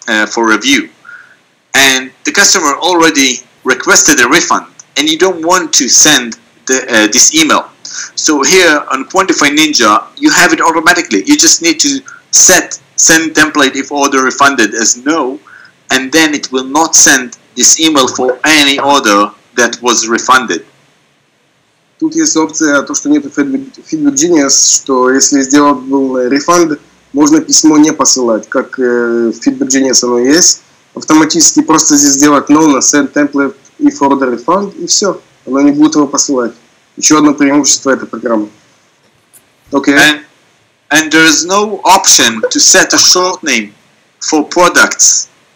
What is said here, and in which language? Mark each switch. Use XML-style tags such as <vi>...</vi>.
<en>for review, and the customer already requested a refund and you don't want to send this email. So here on Quantify Ninja, you have it automatically. You just need to set send template if order refunded as no, and then it will not send this email for any order that was refunded.</en> <ru>Тут есть опция, то что нет Feedback Genius, что если сделан был refund, можно письмо не посылать, как Feedback Genius оно есть. Автоматически просто здесь сделать no на</ru> <en>send template if order refund,</en> <ru>и все. Она не будет его посылать. Еще одно преимущество этой программы.</ru> <en>Okay. And there is no option to set a short name for products.</en>